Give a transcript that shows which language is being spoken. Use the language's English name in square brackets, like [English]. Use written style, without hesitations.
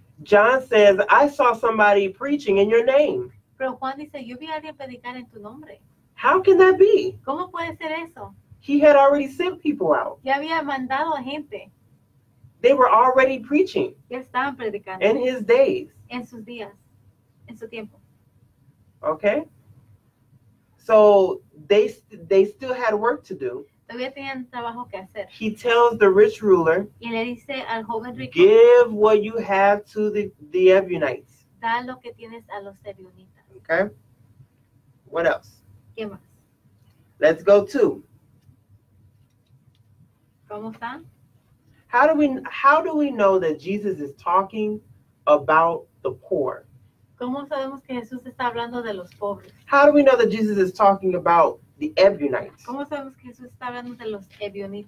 [English] John says, I saw somebody preaching in your name. [Spanish] Pero Juan dice, yo vi a alguien predicar en tu nombre. [English] How can that be? [Spanish] ¿Cómo puede ser eso? [English] He had already sent people out. [Spanish] Ya había mandado a gente. [English] They were already preaching. [Spanish] Ya estaban predicando. [English] In his days. [Spanish] En sus días. En su tiempo. [English] Okay. So they still had work to do. [Spanish] Todavía tenían trabajo que hacer. [English] He tells the rich ruler. [Spanish] Y le dice al joven rico. [English] Give what you have to the Ebionites. [Spanish] Da lo que tienes a los Ebionitas. [English] Okay. What else? [Spanish] ¿Qué más? [English] Let's go to. [Spanish] ¿Cómo están? [English] How do we know that Jesus is talking about the poor? [Spanish] ¿Cómo sabemos que Jesús está hablando de los pobres? [English] How do we know that Jesus is talking about the Ebionites? [Spanish] ¿Cómo sabemos que Jesús está hablando de los Ebionitas?